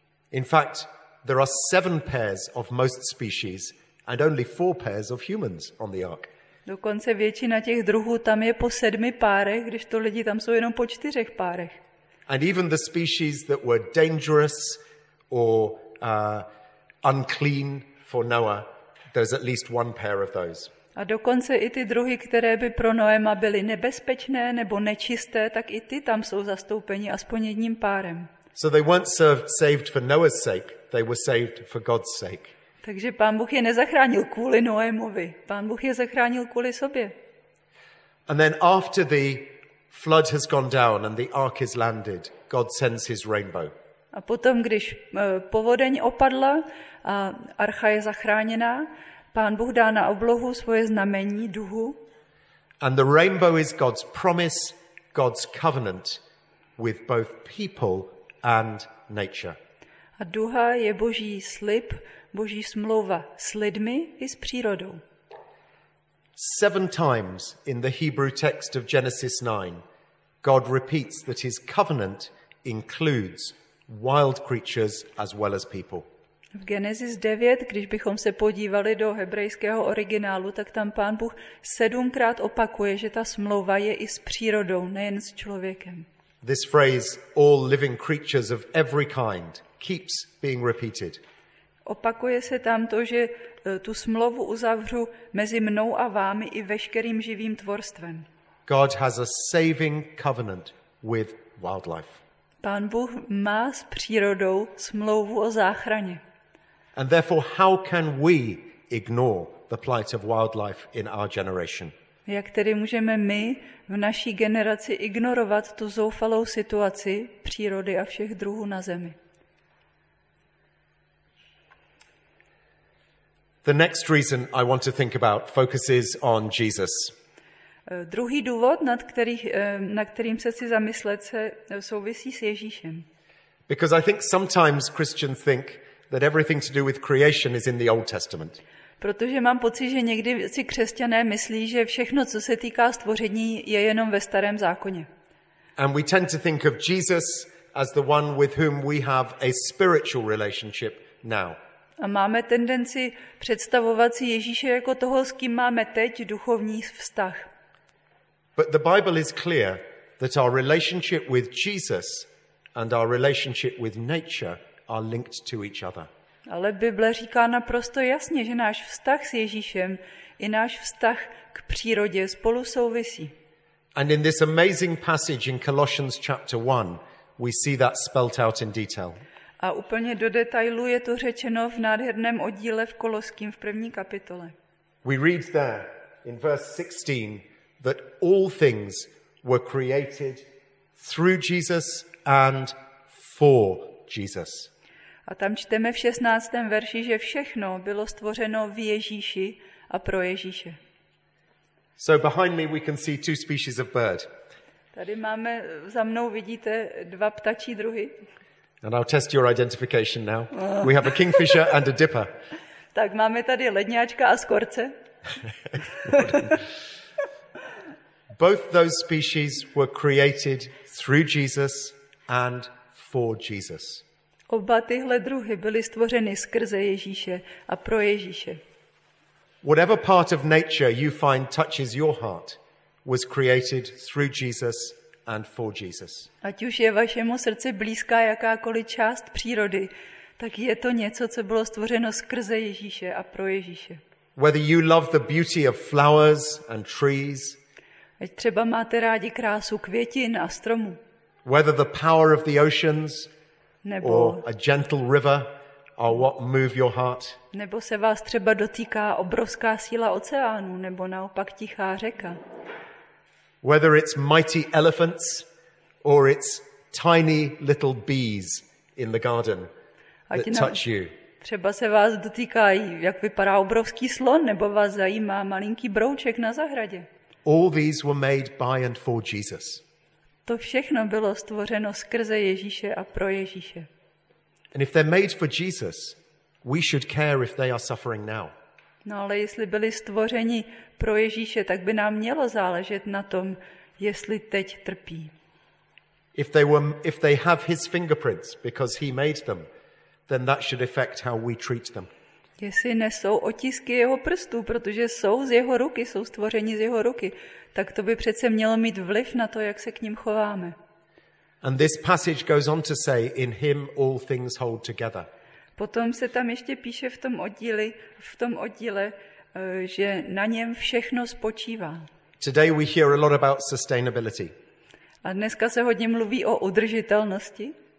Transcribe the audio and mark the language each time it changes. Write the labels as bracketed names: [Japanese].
[English] In fact, there are 7 pairs of most species and only 4 pairs of humans on the ark. [Czech] Dokonce většina těch druhů tam je po 7 párech, když to lidi tam jsou jenom po 4 párech. [English] And even the species that were dangerous or unclean for Noah, there's at least one pair of those. [Czech] A dokonce i ty druhy, které by pro Noema byly nebezpečné nebo nečisté, tak i ty tam jsou zastoupeni aspoň jedním párem. [English] So they weren't saved for Noah's sake, they were saved for God's sake. [Czech] Takže Pán Bůh je nezachránil kvůli Noémovi. Pán Bůh je zachránil kvůli sobě. [English] And then after the flood has gone down and the ark is landed, God sends his rainbow. [Czech] A potom, když povodeň opadla a archa je zachráněná, Pán Bůh dá na oblohu svoje znamení duhu. [English] And the rainbow is God's promise, God's covenant with both people and nature. [Czech] A duha je Boží slib, Boží smlouva s lidmi i s přírodou. [English] 7 times in the Hebrew text of Genesis 9, God repeats that his covenant includes wild creatures as well as people. [Czech] V Genesis 9, když bychom se podívali do hebrejského originálu, tak tam Pán Bůh 7x opakuje, že ta smlouva je i s přírodou, nejen s člověkem. [English] This phrase, all living creatures of every kind, keeps being repeated. [Czech] Opakuje se tam to, že tu smlouvu uzavřu mezi mnou a vámi i veškerým živým tvorstvem. [English] God has a saving covenant with wildlife. [Czech] Pán Bůh má s přírodou smlouvu o záchraně. [English] And therefore, how can we ignore the plight of wildlife in our generation? [Czech] Jak tedy můžeme my v naší generaci ignorovat tu zoufalou situaci přírody a všech druhů na zemi? [English] The next reason I want to think about focuses on Jesus. [Czech] Druhý důvod, nad kterým se chci zamyslet, se souvisí s Ježíšem. [English] Because I think sometimes Christians think that everything to do with creation is in the Old Testament. [Czech] Protože mám pocit, že někdy si křesťané myslí, že všechno, co se týká stvoření, je jenom ve Starém zákoně. [English] And we tend to think of Jesus as the one with whom we have a spiritual relationship now. [Czech] A máme tendenci představovat si Ježíše jako toho, s kým máme teď duchovní vztah. [English] But the Bible is clear that our relationship with Jesus and our relationship with nature are linked to each other. [Czech] Ale Bible říká naprosto jasně, že náš vztah s Ježíšem i náš vztah k přírodě spolu souvisí. [English] And in this amazing passage in Colossians chapter 1, we see that spelled out in detail. [Czech] A úplně do detailu je to řečeno v nádherném oddíle v Koloským v 1. kapitole. [English] We read there in verse 16 that all things were created through Jesus and for Jesus. [Czech] A tam čteme v 16. verši, že všechno bylo stvořeno v Ježíši a pro Ježíše. [English] So behind me we can see 2 species of bird. [Czech] Tady máme za mnou, vidíte, 2 ptačí druhy. [English] And I'll test your identification now. We have a kingfisher and a dipper. [Czech] Tak máme tady ledňáčka a skorce. [English] Both those species were created through Jesus and for Jesus. [Czech] Oba tyhle druhy byly stvořeny skrze Ježíše a pro Ježíše. [English] Whatever part of nature you find touches your heart was created through Jesus and for Jesus. [Czech] Ať už je vašemu srdci blízká jakákoliv část přírody, tak je to něco, co bylo stvořeno skrze Ježíše a pro Ježíše. [English] Whether you love the beauty of flowers and trees, [Czech] ať třeba máte rádi krásu květin a stromů. [English] Whether the power of the oceans [Czech] nebo [English] a gentle river or what move your heart, [Czech] nebo se vás třeba dotýká obrovská síla oceánu nebo naopak tichá řeka. [English] Whether it's mighty elephants or it's tiny little bees in the garden that touch you. [Czech] Třeba se vás dotýká, jak vypadá obrovský slon, nebo vás zajímá malinký brouček na zahradě. [English] All these were made by and for Jesus. [Czech] To všechno bylo stvořeno skrze Ježíše a pro Ježíše. [English] And if they're made for Jesus, we should care if they are suffering now. [Czech] No, ale jestli byli stvořeni pro Ježíše, tak by nám mělo záležet na tom, jestli teď trpí. [English] If they have his fingerprints because he made them, then that should affect how we treat them. [Czech] Jestli nesou otisky jeho prstů, protože jsou z jeho ruky, jsou stvořeni z jeho ruky, tak to by přece mělo mít vliv na to, jak se k ním chováme. [English] And this passage goes on to say, in him all things hold together. [Czech] Potom se tam ještě píše v tom oddíle, že na něm všechno spočívá. [English] Today we hear a lot about sustainability. [Czech] A dneska se hodně mluví o udržitelnosti.